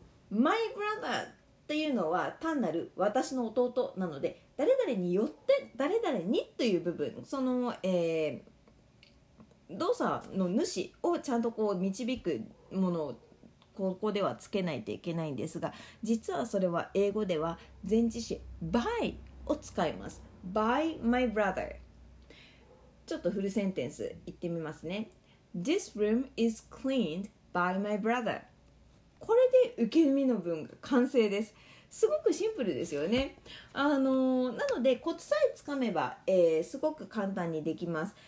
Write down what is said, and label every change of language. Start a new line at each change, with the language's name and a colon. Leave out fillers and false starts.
English: my brother
Japanese: っていうのは単なる私の弟なので、誰々によって、誰々にという部分、その動作の主をちゃんとこう導くものをここではつけないといけないんですが、実はそれは英語では前置詞 by を使います。
English: by my brother。
Japanese: ちょっとフルセンテンス言ってみますね。
English: This room is cleaned by my brother。
Japanese: これで受け身の文が完成です。すごくシンプルですよね。なのでコツさえつかめば、すごく簡単にできます。